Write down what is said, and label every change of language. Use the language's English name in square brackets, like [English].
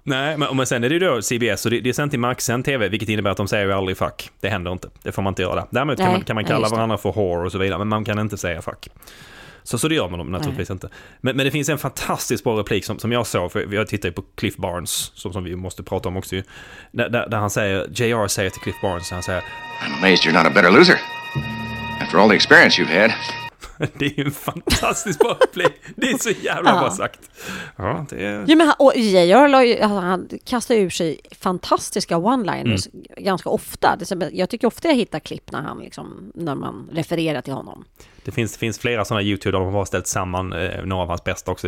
[Swedish] Nej, men sen är det ju då CBS, och det är sent i Max, sen TV, vilket innebär att de säger ju aldrig fuck. Det händer inte. Det får man inte göra. Däremot kan man kalla varandra för whore och så vidare, men man kan inte säga fuck. Så det gör man dem naturligtvis inte. Men det finns en fantastisk bra replik som jag såg, för jag tittar ju på Cliff Barnes, som vi måste prata om också ju. Där han säger, JR säger till Cliff Barnes, han säger, [English] I'm amazed you're not a better loser. After all the experience you've had. [Swedish] Det är ju en fantastisk upplevelse. Det är så jävla bra sagt. Ja, det är... Jo, men han kastar ur sig fantastiska one-liners ganska ofta. Jag tycker ofta jag hittar klipp när han liksom, när man refererar till honom. Det finns flera sådana YouTube där de har ställt samman några av hans bästa också.